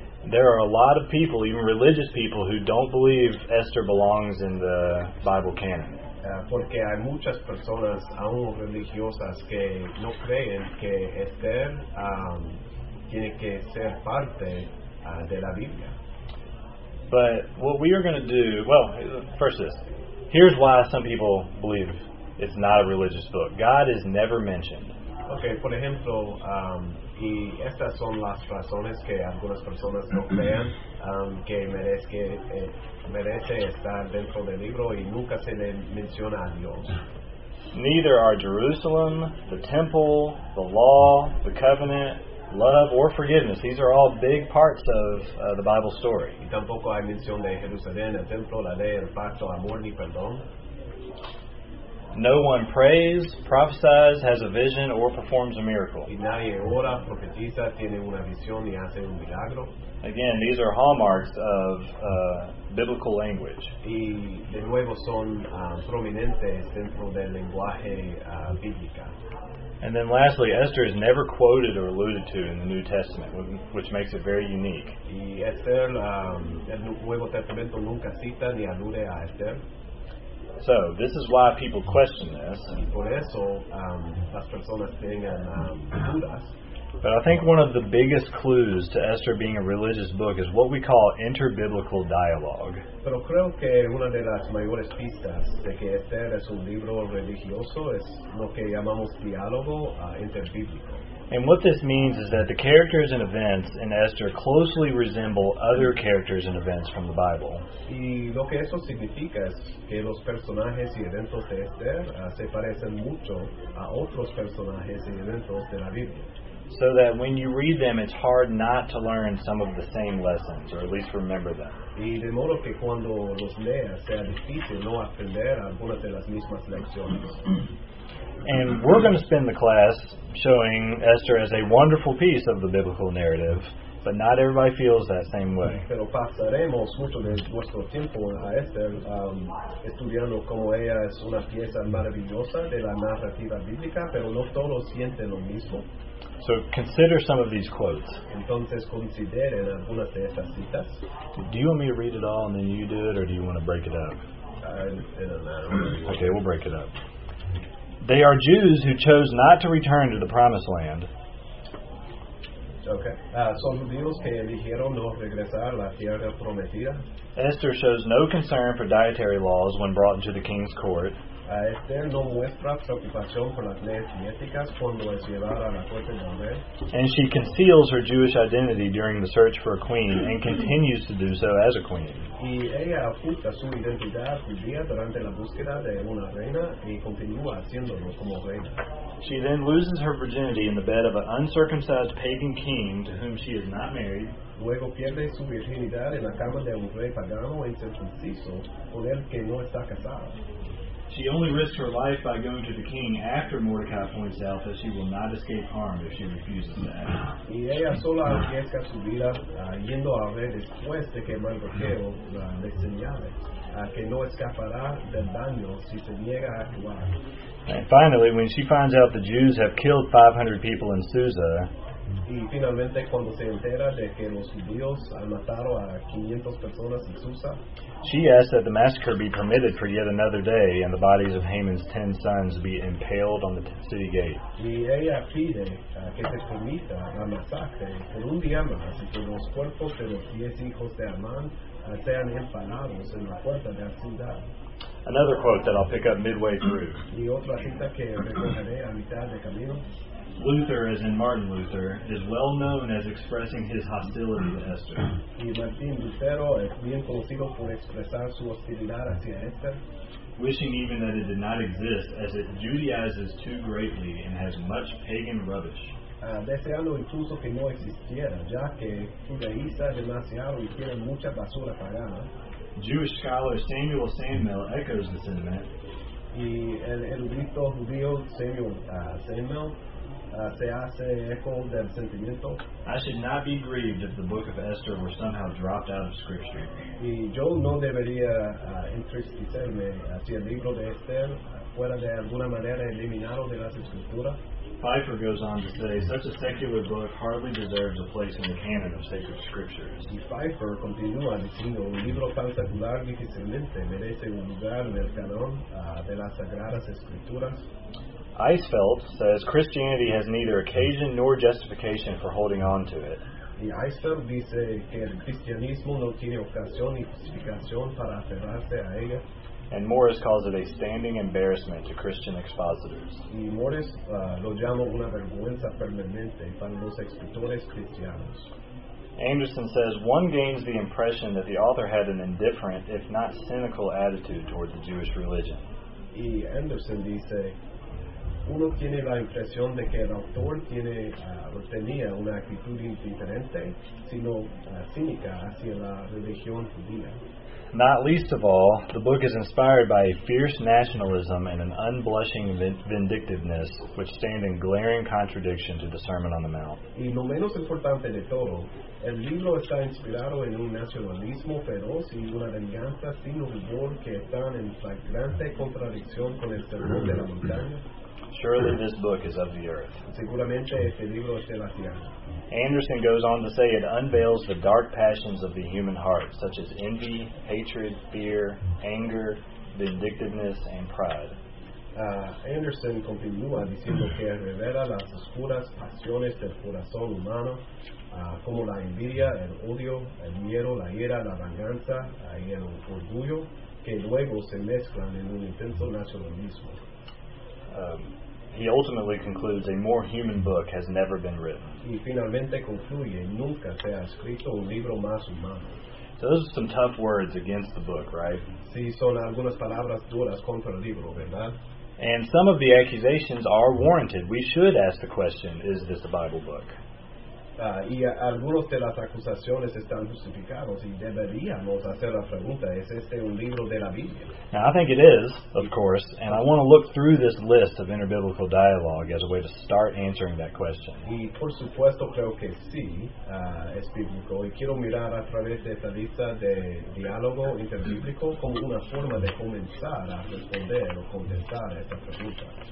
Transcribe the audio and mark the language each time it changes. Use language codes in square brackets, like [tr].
[en] There are a lot of people, even religious people, who don't believe Esther belongs in the Bible canon. [es] Porque hay muchas personas, aún religiosas, que no creen que Esther tiene que ser parte de la Biblia. [en] But what we are going to do, well, first this. Here's why some people believe it's not a religious book. God is never mentioned. [es] Okay, por ejemplo, y estas son las razones que algunas personas no crean que merece estar dentro del libro y nunca se le menciona a Dios. [en] Neither are Jerusalem, the temple, the law, the covenant, love, or forgiveness. These are all big parts of the Bible story. [es] Y tampoco hay mención de Jerusalén, el templo, la ley, el pacto, amor, ni perdón. [en] No one prays, prophesies, has a vision, or performs a miracle. [es] Y nadie ora, profetiza, tiene una visión y hace un milagro. [en] Again, these are hallmarks of biblical language. [es] Y de nuevo son prominentes dentro del lenguaje bíblico. [en] And then lastly, Esther is never quoted or alluded to in the New Testament, which makes it very unique. [es] Y Esther, el Nuevo Testamento nunca cita ni alude a Esther. [en] So, this is why people question this. [es] Y por eso, las personas tengan, dudas. [en] But I think one of the biggest clues to Esther being a religious book is what we call interbiblical dialogue. [es] Pero creo que una de las mayores pistas de que Esther es un libro religioso es lo que llamamos diálogo interbíblico. [en] And what this means is that the characters and events in Esther closely resemble other characters and events from the Bible. [es] Y lo que eso significa es que los personajes y eventos de Esther se parecen mucho a otros personajes y eventos de la Biblia. [en] So that when you read them, it's hard not to learn some of the same lessons, or at least remember them. [es] Y de modo que cuando los leas sea difícil no aprender algunas de las mismas lecciones. [en] And we're going to spend the class showing Esther as a wonderful piece of the biblical narrative, but not everybody feels that same way. [es] Pero pasaremos mucho de nuestro tiempo a Esther estudiando cómo ella es una pieza maravillosa de la narrativa bíblica, pero no todos sienten lo mismo. [en] So consider some of these quotes. [es] Entonces consideren algunas de estas citas. [en] Do you want me to read it all and then you do it, or do you want to break it up? Okay, we'll break it up. They are Jews who chose not to return to the Promised Land. Okay. [es] Son judíos que eligieron no regresar a la tierra prometida. [en] Esther shows no concern for dietary laws when brought into the king's court. [es] Esther no muestra preocupación por las leyes dietéticas cuando es llevada a la corte del rey. [en] And she conceals her Jewish identity during the search for a queen and continues to do so as a queen. [es] Y ella oculta su identidad judía durante la búsqueda de una reina y continúa haciéndolo como reina. [en] She then loses her virginity in the bed of an uncircumcised pagan king to whom she is not married. [es] Luego pierde su virginidad en la cama de un rey pagano e incircunciso con el que no está casado. [en] She only risks her life by going to the king after Mordecai points out that she will not escape harm if she refuses to act. [es] Y ella solo arriesga su vida yendo a ver después de que Mordecai le señale que no escapará del daño si se niega a actuar. [en] And finally, when she finds out the Jews have killed 500 people in Susa, [es] y finalmente cuando se entera de que los judíos han matado a 500 personas en Susa, [en] she asks that the massacre be permitted for yet another day and the bodies of Haman's 10 sons be impaled on the city gate. [es] Y ella pide que se permita la masacre por un día más y que los cuerpos de los 10 hijos de Amán sean empalados en la puerta de la ciudad. [en] Another quote that I'll pick up midway through. [es] Y otra cita que recogeré a mitad de camino. [en] Luther, as in Martin Luther, is well known as expressing his hostility to Esther. [es] Y Martín Lutero es bien conocido por expresar su hostilidad hacia Esther. [en] Wishing even that it did not exist, as it Judaizes too greatly and has much pagan rubbish. [es] Deseando incluso que no existiera, ya que judaiza demasiado y tiene mucha basura pagana. [en] Jewish scholar Samuel Sandmill echoes the sentiment. [es] Y el erudito judío Samuel Sandmill se hace eco del sentimiento. [en] I should not be grieved if the book of Esther were somehow dropped out of scripture. [es] Y yo no debería entristecerme si el libro de Esther fuera de alguna manera eliminado de las escrituras. [en] Pfeiffer goes on to say, such a secular book hardly deserves a place in the canon of sacred scriptures. [es] Y Pfeiffer continúa diciendo, un libro tan secular difícilmente merece un lugar en el canon de las sagradas escrituras. [en] Eisfeld says Christianity has neither occasion nor justification for holding on to it. [es] Y Eisfeld dice que el cristianismo no tiene ocasión ni justificación para aferrarse a ella. [en] And Morris calls it a standing embarrassment to Christian expositors. [es] Y Morris lo llama una vergüenza permanente para los escritores cristianos. [en] Anderson says one gains the impression that the author had an indifferent, if not cynical, attitude toward the Jewish religion. [es] Y Anderson dice, uno tiene la impresión de que el autor tiene tenía una actitud indiferente, sino cínica hacia la religión judía. [en] Not least of all, the book is inspired by a fierce nationalism and an unblushing vindictiveness which stand in glaring contradiction to the Sermon on the Mount. [es] Y lo menos importante de todo, el libro está inspirado en un nacionalismo feroz y una venganza sin rubor que están en flagrante contradicción con el Sermón de la Montaña. [en] Surely this book is of the earth. [es] Seguramente este libro es de la tierra. [en] Anderson goes on to say it unveils the dark passions of the human heart, such as envy, hatred, fear, anger, vindictiveness, and pride. [es] Anderson continúa diciendo que revela las oscuras pasiones del corazón humano, como la envidia, el odio, el miedo, la ira, la venganza, y el orgullo, que luego se mezclan en un intenso nacionalismo. [en] He ultimately concludes a more human book has never been written. [es] Y finalmente concluye, nunca se ha escrito un libro más humano. [en] So those are some tough words against the book, right? [es] Sí, son algunas palabras duras contra el libro, ¿verdad? [en] And some of the accusations are warranted. We should ask the question, is this a Bible book? [es] Y algunos de las acusaciones están justificados y deberíamos hacer la pregunta, ¿es este un libro de la Biblia? [en] Now, I think it is, of course, and I want to look through this list of interbiblical dialogue as a way to start answering that question. [es] Y por supuesto creo que sí, es bíblico, y quiero mirar a través de esta lista de diálogo interbíblico como una forma de comenzar a responder o contestar a esta pregunta.